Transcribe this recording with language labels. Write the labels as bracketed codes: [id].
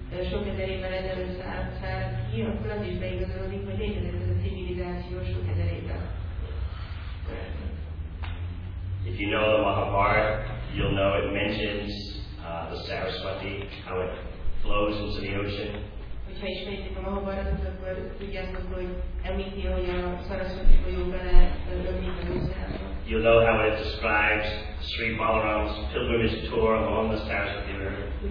[hu] Sok ezer évvel ezelőtt szállt ki, akkor az is beigazolódik, hogy létezett ez a civilizáció sok ezer évvel. [en] If you know the Mahabharata, you'll know it mentions the Saraswati, how it flows into the ocean. [hu] Hogyha ismeritek a Mahabharatot, akkor tudjátok, hogy említi, hogy a Saraswati folyó beleömlik az óceánba. [en] You'll know how it describes Sri Balaram's pilgrimage tour along the Saraswati River.